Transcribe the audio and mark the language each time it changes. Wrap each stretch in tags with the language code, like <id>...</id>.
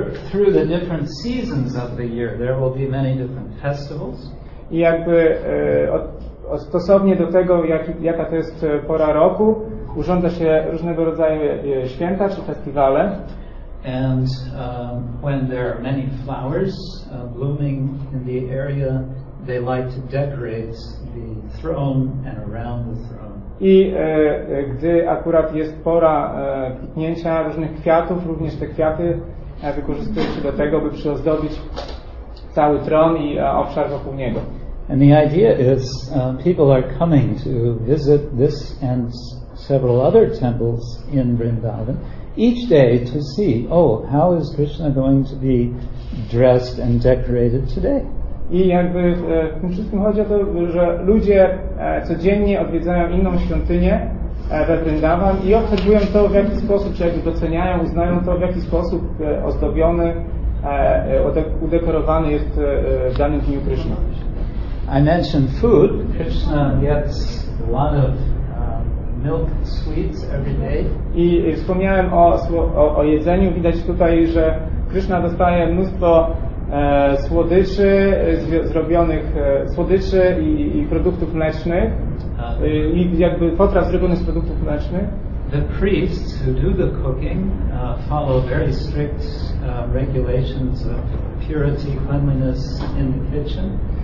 <en>Through the different seasons of the year, there will be many different festivals.</en> <pl>I jakby stosownie do tego, jaka to jest pora roku, urządza się różnego rodzaju święta czy festiwale.</pl> <en>And when there are many flowers blooming in the area, they like to decorate the throne and around the throne.</en> <pl>I gdy akurat jest pora kwitnięcia różnych kwiatów, również te kwiaty wykorzystuje się do tego, by przyozdobić cały tron i obszar wokół niego.</pl> <en>And the idea is people are coming to visit this and several other temples in Vrindavan each day to see, oh, how is Krishna going to be dressed and decorated today?</en> <pl>I jakby w tym wszystkim chodzi o to, że ludzie codziennie odwiedzają inną świątynię we Vrindavan i obserwują to, w jaki sposób, czy jakby doceniają, uznają to, w jaki sposób ozdobiony, udekorowany jest w danym dniu Krishna.</pl> <en>I mentioned food. Krishna gets a lot of milk sweets every day.</en> <pl>I wspomniałem o jedzeniu. Widać tutaj, że Krishna dostaje mnóstwo słodyczy zrobionych słodyczy i produktów mlecznych i jakby potraw zrobionych z produktów mlecznych.</pl> <en>The priests who do the cooking follow very strict regulations of purity, cleanliness in the kitchen.</en>